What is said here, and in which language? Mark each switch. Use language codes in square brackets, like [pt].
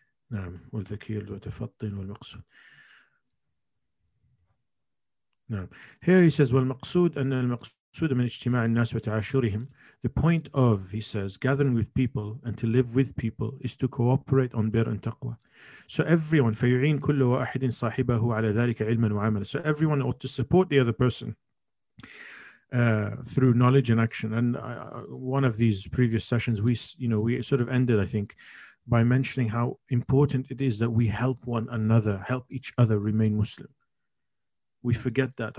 [ar] نعم والذكير وتفطن والمقصود نعم. [en] Here he says, [ar] والمقصود أن المقصود من اجتماع الناس وتعاشرهم. [en] The point of, he says, gathering with people and to live with people is to cooperate on bir and taqwa. So everyone, [ar] فيعين كل واحد صاحبه على ذلك علما وعملا. [en] So everyone ought to support the other person through knowledge and action. And one of these previous sessions, we sort of ended, I think, by mentioning how important it is that we help one another, help each other remain Muslim. We forget that.